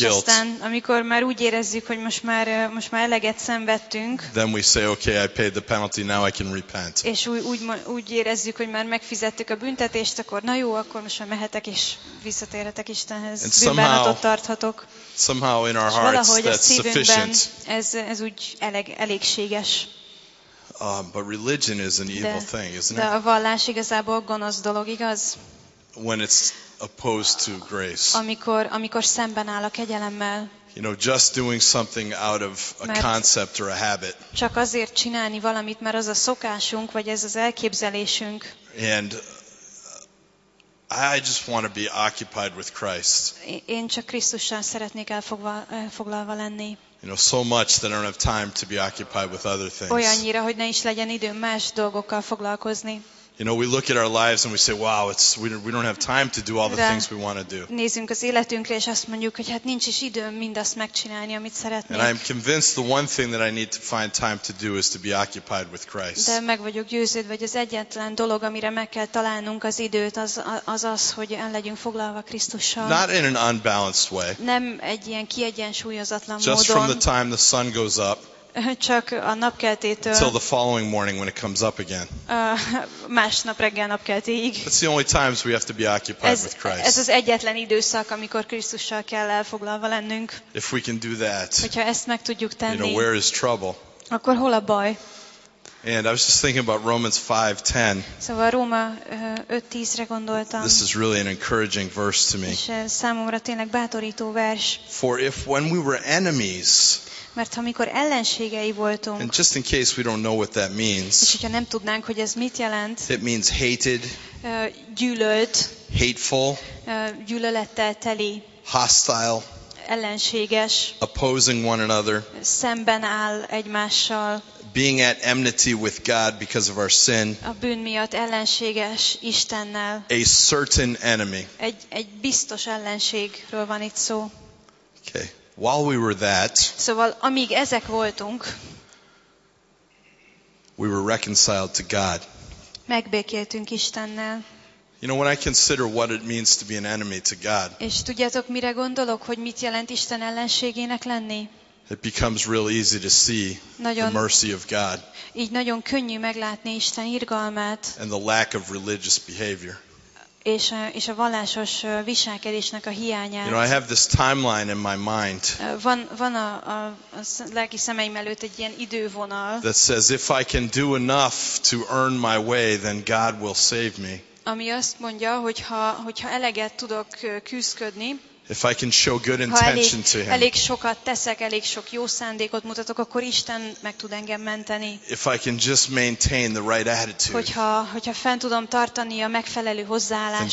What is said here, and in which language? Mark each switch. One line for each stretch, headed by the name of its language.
Hungarian: És aztán amikor már úgy érezzük, hogy most már eleget szenvedtünk.
English: Then we say okay, I paid the penalty, now I can repent.
Hungarian: És úgy érezzük, hogy már megfizettük a büntetést, akkor na jó, akkor most már mehetek és visszatérhetek Istenhez. Bűnbánatot tarthatok.
English: Somehow in our hearts
Hungarian: valahogy
English: that's sufficient.
Hungarian: Ez úgy elégséges.
English: But religion is an evil thing, isn't it?
Hungarian: De a vallás igazából gonosz dolog, igaz?
English: When it's opposed to grace.
Hungarian: Amikor szemben áll a kegyelemmel.
English: You know, just doing something out of a concept or a habit.
Hungarian: Csak azért csinálni valamit, mert az a szokásunk, vagy ez az elképzelésünk.
English: And I just want to be occupied with Christ.
Hungarian: Én csak Krisztussal szeretnék elfoglalva lenni.
English: You know, so much that I don't have time to be occupied with other things.
Hungarian: Olyannyira, hogy ne is legyen időm más dolgokkal foglalkozni.
English: You know, we look at our lives and we say, wow, we don't have time to do all the things we want to do.
Hungarian: Nézünk az életünkre, és azt mondjuk, hogy hát nincs is időm mindazt megcsinálni, amit szeretnék.
English: And I'm convinced the one thing that I need to find time to do is to be occupied with Christ.
Hungarian: De meg vagyok győződve, hogy az egyetlen dolog, amire meg kell találnunk az időt, az, hogy el legyünk foglalva Krisztussal.
English: Not in an unbalanced way.
Hungarian: Nem egy ilyen kiegyensúlyozatlan módon.
English: Just from the time the sun goes up.
Hungarian: Csak a napkeltétől.
English: Until the following morning when it comes up again.
Hungarian: Másnap reggel napkeltéig.
English: That's the only times we have to be occupied with Christ.
Hungarian: Ez az egyetlen időszak, amikor Krisztussal kell elfoglalva lennünk.
English: If we can do that.
Hungarian: Hogyha ezt meg tudjuk tenni.
English: You know, where is trouble?
Hungarian: Akkor hol a baj?
English: And I was just thinking about Romans 5:10.
Hungarian: Szóval Róma 5:10-re gondoltam.
English: This is really an encouraging verse to me.
Hungarian: És számomra tényleg bátorító vers.
English: For if when we were enemies.
Hungarian: Mert amikor ellenségei voltunk.
English: And just in case we don't know what that means.
Hungarian: És hogyha nem tudnánk, hogy ez mit jelent.
English: It means hated.
Hungarian: Gyűlölt.
English: Hateful.
Hungarian: Gyűlölettel teli.
English: Hostile.
Hungarian: Ellenséges.
English: Opposing one another.
Hungarian: Szemben áll egymással.
English: Being at enmity with God because of our sin.
Hungarian: A bűn miatt ellenséges Istennel.
English: A certain enemy.
Hungarian: Egy biztos ellenségről van itt szó.
English: Okay. While we were that,
Hungarian: szóval amíg ezek voltunk,
English: we were reconciled to God.
Hungarian: Megbékéltünk Istennel.
English: You know, when I consider what it means to be an enemy to God.
Hungarian: És tudjátok, mire gondolok, hogy mit jelent Isten ellenségének lenni?
English: It becomes real easy to see the mercy of God.
Hungarian: Így nagyon könnyű meglátni Isten irgalmát.
English: And the lack of religious behavior.
Hungarian: És a vallásos viselkedésnek a hiányát.
English: You know, I have this timeline in my mind.
Hungarian: Van a lelki szemeim előtt egy ilyen idővonal.
English: That says if I can do enough to earn my way, then God will save me.
Hungarian: Ami azt mondja, hogyha eleget tudok küzdködni.
English: If I can show good intention to him.
Hungarian: Elég sokat teszek, elég sok jó szándékot mutatok, akkor Isten meg tud engem menteni.
English: If I can just maintain the right attitude.
Hungarian: Hogyha fent tudom tartani a megfelelő hozzáállásomat.